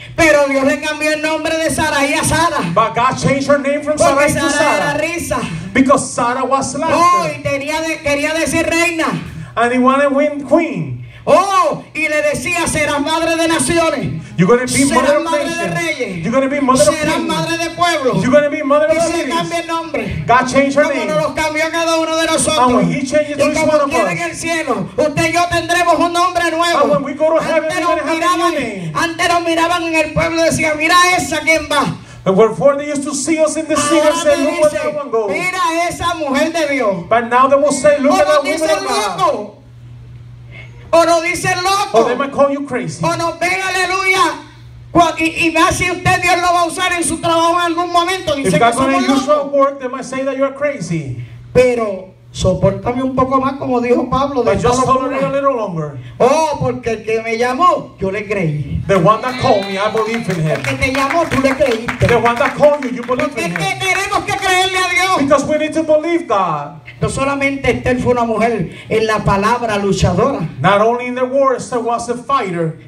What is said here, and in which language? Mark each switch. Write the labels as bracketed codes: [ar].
[es] Pero Dios le cambió el nombre de Sarai a Sara. [en] But God changed her name from Sarai to Sara. [es] Porque Sara era risa. [en] Because Sarah was laughter. [es] Oh, y quería decir reina. [en] And he wanted to win queen. [es] Oh, y le decía, serás madre de naciones. [en] You're going to be mother of nations. You're going to be mother of kings. [es] Madre de pueblos. [en] You're going to be mother of the nations. God changed her name. [es] Nos cambió a cada uno de nosotros. [en] And when he changes each one of us. [es] En el cielo, usted y yo tendremos un nombre nuevo. [en] And when we go to heaven, we're going to have a new name. [es] Antes nos miraban en el pueblo y decían, mira esa quien va. [en] But before they used to see us in the city and say, look where that one goes. [es] Mira esa mujer de Dios. [en] But now they will say, look at that woman of God. [es] O nos dicen loco. [en] Or they might call you crazy. [es] O nos ven, aleluya. Y más si usted Dios lo va a usar en su trabajo en algún momento. [en] If God's going to use your work, they might say that you're crazy. [es] Pero soportame un poco más, como dijo Pablo. [en] But just tolerate a little longer. [es] Oh, porque el que me llamó, yo le creí. [en] The one that called me, I believe in him. [es] El que te llamó, tú le creíste. [en] The one that called you, you believe [es] porque [en] in him. [es] Porque tenemos que creerle a Dios. [en] Because we need to believe God. [es] No solamente Esther fue una mujer en la palabra luchadora. [en] Not only in the war, Esther was a fighter.